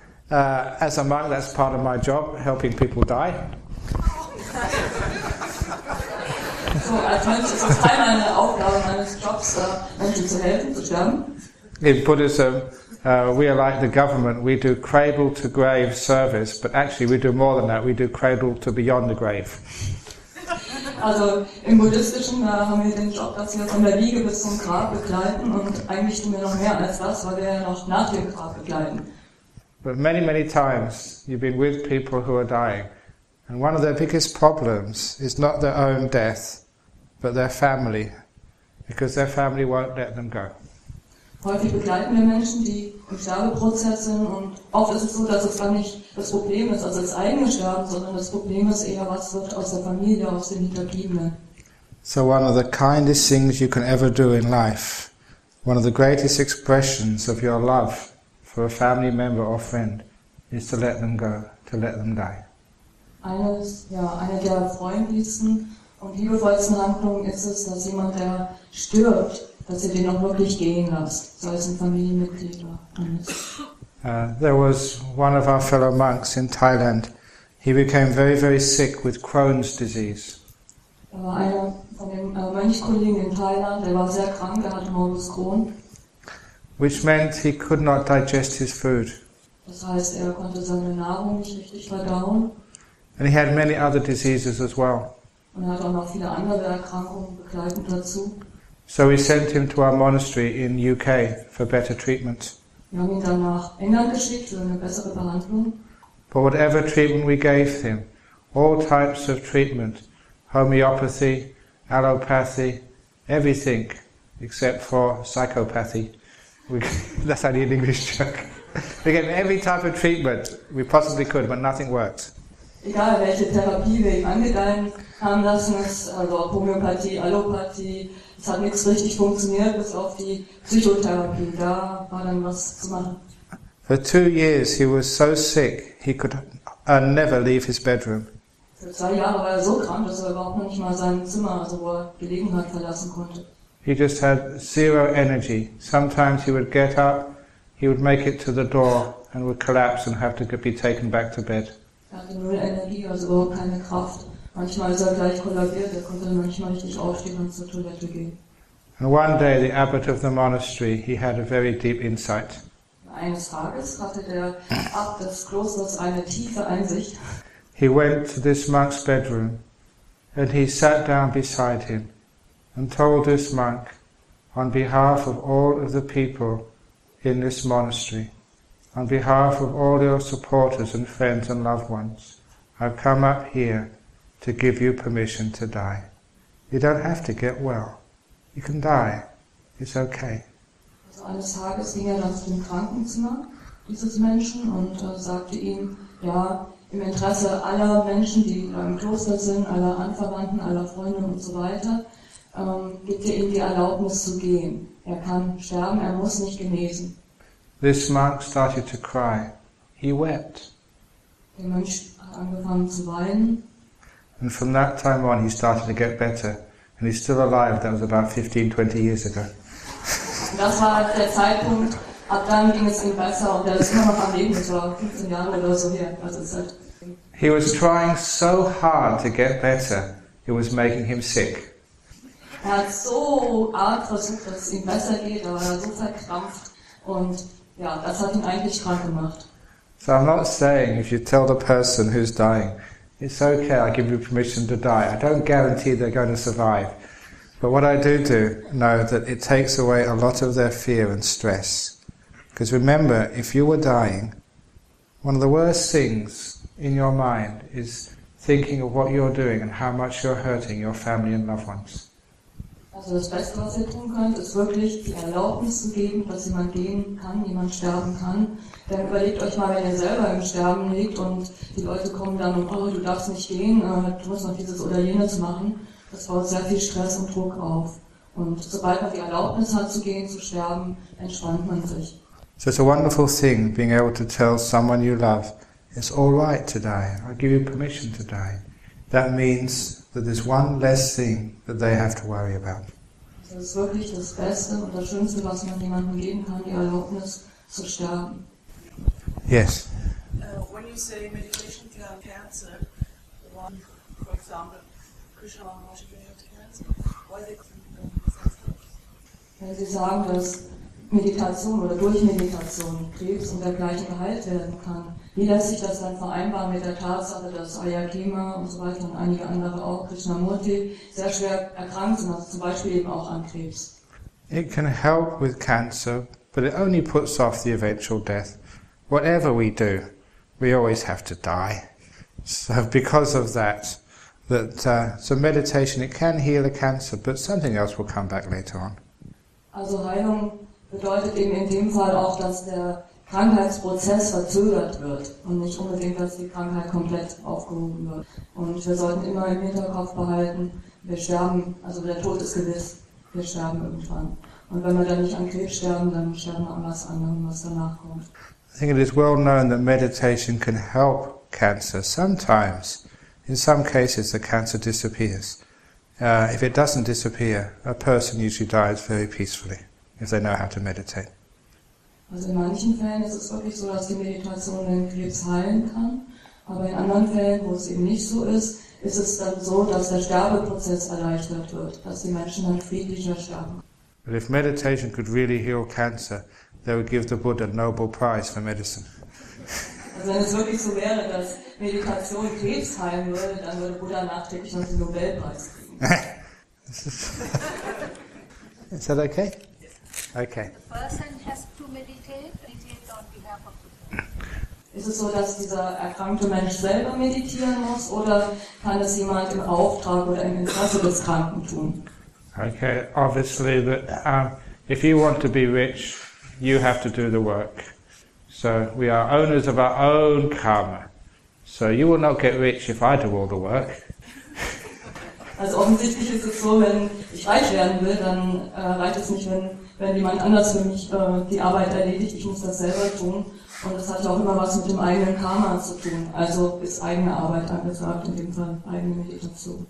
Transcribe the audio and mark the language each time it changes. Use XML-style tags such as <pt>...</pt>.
<en>As a monk, that's part of my job, helping people die.</en> <de>So, als Mönch ist das Teil meiner Aufgabe, meines Jobs, Menschen zu helfen, zu sterben.</de> <en>In Buddhism, we are like the government. We do cradle-to-grave service, but actually we do more than that. We do cradle-to-beyond the grave.</en> <de>Also, im Buddhistischen haben wir den Job, dass wir von der Wiege bis zum Grab begleiten, und eigentlich tun wir noch mehr als das, weil wir ja noch nach dem Grab begleiten.</de> <en>But many, many times, you've been with people who are dying, and one of their biggest problems is not their own death, but their family, because their family won't let them go.</en> <de>Häufig begleiten wir Menschen, die im Sterbeprozess sind, und oft ist es so, dass es dann nicht das Problem ist, also das eigene Sterben, sondern das Problem ist eher, was wird aus der Familie, aus den Hinterbliebenen.</de> <en>So one of the kindest things you can ever do in life, one of the greatest expressions of your love for a family member or friend, is to let them go, to let them die.</en> <de>Eine der freundlichsten und liebevollsten Handlungen ist es, dass jemand, der stirbt, dass ihr den auch wirklich gehen lasst, sei es ein Familienmitglied oder eines.</de> <en>There was one of our fellow monks in Thailand. He became very, very sick with Crohn's disease.</en> <de>Einer von den Mönchkollegen in Thailand, der war sehr krank, er hatte Morbus Crohn.</de> <en>Which meant he could not digest his food.</en> <de>Das heißt, er konnte seine Nahrung nicht richtig verdauen.</de> <en>And he had many other diseases as well.</en> <de>Und er hat auch noch viele andere Erkrankungen begleitend dazu.</de> <en>So we sent him to our monastery in UK for better treatment.</en> <de>Wir haben ihn dann nach England geschickt für eine bessere Behandlung.</de> <en>But whatever treatment we gave him, all types of treatment, homeopathy, allopathy, everything except for psychopathy. That's only an English joke. We gave him every type of treatment we possibly could, but nothing worked.</en> <de>Egal welche Therapie wir ihm angedeihen haben lassen, also Homöopathie, Allopathie, es hat nichts richtig funktioniert, bis auf die Psychotherapie. Da war dann was zu machen.</de> <en>For 2 years he was so sick, he could never leave his bedroom.</en> <de>Für 2 Jahre war er so krank, dass er überhaupt noch nicht mal sein Zimmer, also wo er gelegen hat, verlassen konnte.</de> <en>He just had zero energy. Sometimes he would get up, he would make it to the door and would collapse and have to be taken back to bed.</en> <de>Er hatte null Energie, also überhaupt keine Kraft. Manchmal ist er gleich kollabiert, er konnte manchmal richtig aufstehen und zur Toilette gehen.</de> <en>And one day the abbot of the monastery, he had a very deep insight.</en> <de>Eines Tages hatte der Abt des Klosters eine tiefe Einsicht.</de> <en>He went to this monk's bedroom and he sat down beside him and told this monk, on behalf of all of the people in this monastery, on behalf of all your supporters and friends and loved ones, I've come up here to give you permission to die. You don't have to get well. You can die. It's okay.</en> <de>Also eines Tages ging dann zu dem Krankenzimmer dieses Menschen und sagte ihm, ja, im Interesse aller Menschen, die im Kloster sind, aller Anverwandten, aller Freunde und so weiter, gibt ihr ihm die Erlaubnis zu gehen. Er kann sterben, er muss nicht genesen.</de> <en>This monk started to cry. He wept.</en> <de>Der Mönch hat angefangen zu weinen.</de> <en>And from that time on, he started to get better. And he's still alive. That was about 15, 20 years ago.</en> <de>Das war der Zeitpunkt. Ab dann ging es ihm besser und er ist immer noch am Leben. Das war 15 Jahre oder so her. Also es halt.</de> <en>He was trying so hard to get better, it was making him sick.</en> <de>Er hat so arg versucht, dass es ihm besser geht, aber er war so verkrampft und ja, das hat ihn eigentlich krank gemacht.</de> <en>So I'm not saying if you tell the person who's dying, it's okay, I give you permission to die. I don't guarantee they're going to survive. But what I do know that it takes away a lot of their fear and stress. Because remember, if you were dying, one of the worst things in your mind is thinking of what you're doing and how much you're hurting your family and loved ones.</en> <de>Also das Beste, was ihr tun könnt, ist wirklich die Erlaubnis zu geben, dass jemand gehen kann, jemand sterben kann. Dann überlegt euch mal, wenn ihr selber im Sterben liegt und die Leute kommen dann und oh, du darfst nicht gehen, du musst noch dieses oder jenes machen. Das baut sehr viel Stress und Druck auf. Und sobald man die Erlaubnis hat zu gehen, zu sterben, entspannt man sich.</de> <en>So it's a wonderful thing, being able to tell someone you love, it's all right to die, I give you permission to die. That means that there's one less thing that they have to worry about.</en> <de>Das ist wirklich das Beste und das Schönste, was man jemandem geben kann, die Erlaubnis zu sterben.</de> <en>Yes. When you say meditation cure cancer, one, for example, Krishna Maharaj cured cancer. Why they couldn't do that?</en> <de>Sie sagen, dass Meditation oder durch Meditation Krebs und dergleichen geheilt werden kann. Wie lässt sich das dann vereinbaren mit der Tatsache, dass Ajahn und so weiter und einige andere auch Krishnamurti sehr schwer erkrankt sind, also zum Beispiel eben auch an Krebs?</de> <en>It can help with cancer, but it only puts off the eventual death. Whatever we do, we always have to die. So because of that, so meditation, it can heal a cancer, but something else will come back later on.</en> <de>Also Heilung bedeutet eben in dem Fall auch, dass der Krankheitsprozess verzögert wird und nicht unbedingt, dass die Krankheit komplett aufgehoben wird. Und wir sollten immer im Hinterkopf behalten, wir sterben, also der Tod ist gewiss, wir sterben irgendwann. Und wenn wir dann nicht an Krebs sterben, dann sterben wir an was anderem, was danach kommt.</de> <en>I think it is well known that meditation can help cancer. Sometimes, in some cases, the cancer disappears. If it doesn't disappear, a person usually dies very peacefully if they know how to meditate.</en> <de>Also in manchen Fällen ist es wirklich so, dass die Meditation den Krebs heilen kann. Aber in anderen Fällen, wo es eben nicht so ist, ist es dann so, dass der Sterbeprozess erleichtert wird, dass die Menschen dann friedlicher sterben.</de> <en>But if meditation could really heal cancer, they would give the Buddha a Nobel Prize for medicine.</en> <de>Also wenn es wirklich so wäre, dass Meditation Krebs heilen würde, dann würde Buddha nachträglich noch den Nobelpreis kriegen.</de> <en>Is that okay? Okay. The person has to meditate on behalf of the Buddha.</en> <de>Ist es so, dass dieser erkrankte Mensch selber meditieren muss, oder kann das jemand im Auftrag oder im Interesse des Kranken tun?</de> <en>Okay, obviously, if you want to be rich, you have to do the work. So we are owners of our own karma. So you will not get rich if I do all the work.</en> <de>Also offensichtlich ist es so, wenn ich reich werden will, dann reicht es nicht, wenn jemand anders für mich die Arbeit erledigt. Ich muss das selber tun. Und das hat ja auch immer was mit dem eigenen Karma zu tun. Also ist eigene Arbeit angesagt, in dem Fall eigene Meditation.</de>